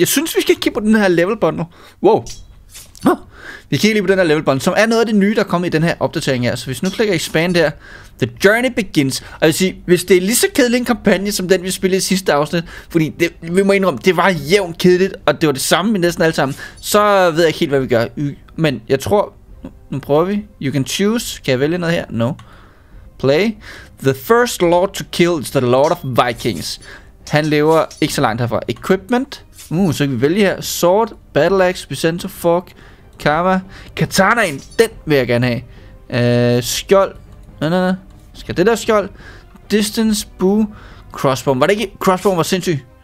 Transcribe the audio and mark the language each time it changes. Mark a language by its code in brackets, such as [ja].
[da] Jeg synes, vi skal kigge på den her level bundle. Wow. Vi kigger lige på den her level bundle, som er noget af det nye, der kommer i den her opdatering her. Så hvis nu klikker expand her. [en] The journey begins. [da] Og jeg vil sige, hvis det er lige så kedelig en kampagne, som den vi spillede i sidste afsnit. Fordi det, vi må indrømme, det var jævnt kedeligt. Og det var det samme med næsten alle sammen. Så ved jeg ikke helt, hvad vi gør. Men jeg tror, nu prøver vi. [en] You can choose. [da] Kan jeg vælge noget her? No. Play. [en] The first lord to kill is the lord of vikings. [da] Han lever ikke så langt herfra. Equipment. Så kan vi vælge her. Sword, battle axe, bicenter, fork, karma. Katanaen, den vil jeg gerne have. Skjold. Nå. Skal det der skjold? Distance, boo, crossbow. Var det ikke? Crossbow var sindssygt.